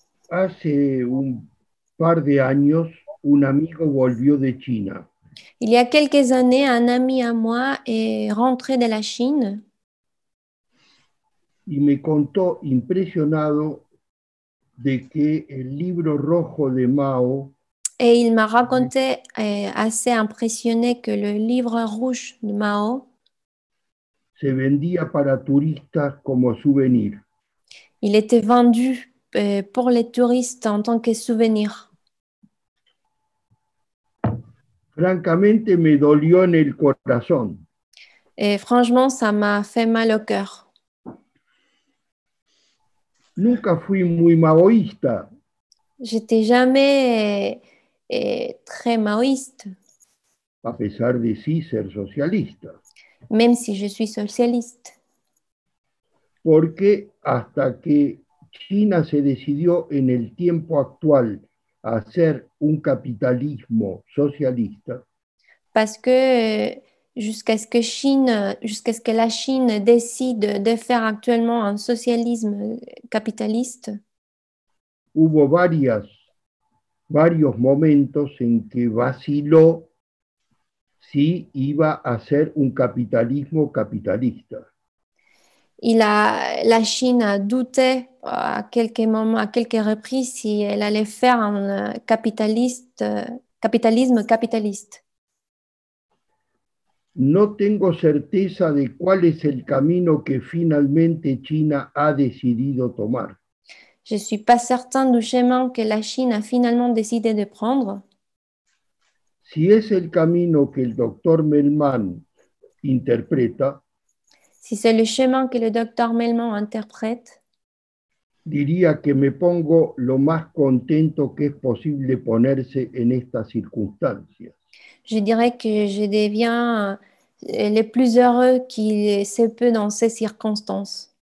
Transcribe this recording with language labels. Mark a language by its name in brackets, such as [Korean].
[Spanish] Hace un par de años un amigo volvió de China. [French] Il y a quelques années, un ami à moi est rentré de la Chine. [Spanish] Y me contó impresionado de que el libro rojo de Mao. [French] Et il m'a raconté assez impressionné que le livre rouge de Mao [Spanish] se vendía para turistas como souvenir. [French] Il était vendu pour les touristes en tant que souvenir. [Spanish] Francamente me dolió en el corazón. [French] Et franchement, ça m'a fait mal au cœur. [Spanish] Nunca fui muy maoísta. [French] J'étais jamais très maoïste. [Spanish] A pesar de sí ser socialista. [French] Même si je suis socialiste. [Spanish] Porque hasta que China se decidió en el tiempo actual a hacer un capitalismo socialista. [French] Parce que jusqu'à ce que la Chine décide de faire actuellement un socialisme capitaliste. [Spanish] Hubo varios momentos en que vaciló si iba a ser un capitalismo capitalista. [French] La Chine a douté à quelques moments, à quelques reprises, si elle allait faire un capitalisme capitaliste. [Spanish] No tengo certeza de cuál es el camino que finalmente China ha decidido tomar. [French] Je suis pas certain du chemin que la Chine a finalement décidé de prendre. [Spanish] Si es el camino que el doctor Melman interpreta, [French] si c'est le chemin que le docteur Melman interprète, [Spanish] diría que me pongo lo más contento que es posible ponerse en estas circunstancias. [French] Je dirais que je deviens le plus heureux qui se peut dans ces circonstances.